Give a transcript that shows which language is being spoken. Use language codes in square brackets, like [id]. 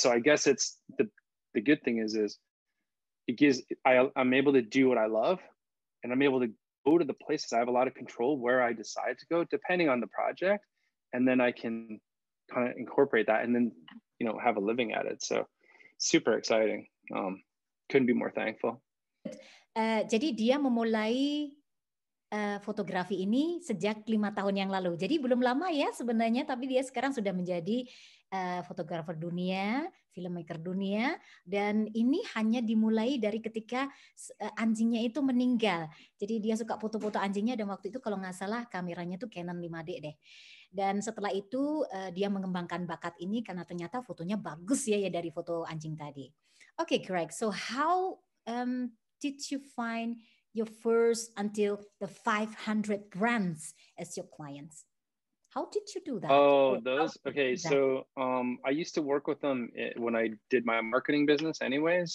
[en] So I guess it's the good thing is it gives, I'm able to do what I love and I'm able to go to the places. I have a lot of control where I decide to go depending on the project. And then I can kind of incorporate that and then, you know, have a living at it. So super exciting. Couldn't be more thankful. [id] Jadi dia memulai fotografi ini sejak 5 tahun yang lalu. Jadi belum lama ya sebenarnya, tapi dia sekarang sudah menjadi fotografer dunia, filmmaker dunia, dan ini hanya dimulai dari ketika anjingnya itu meninggal. Jadi dia suka foto-foto anjingnya, dan waktu itu kalau nggak salah kameranya tuh Canon 5D deh. Dan setelah itu dia mengembangkan bakat ini karena ternyata fotonya bagus ya dari foto anjing tadi. [en] Okay, Gregg, so how did you find your first until the 500 brands as your clients? How did you do that? I used to work with them when I did my marketing business anyways.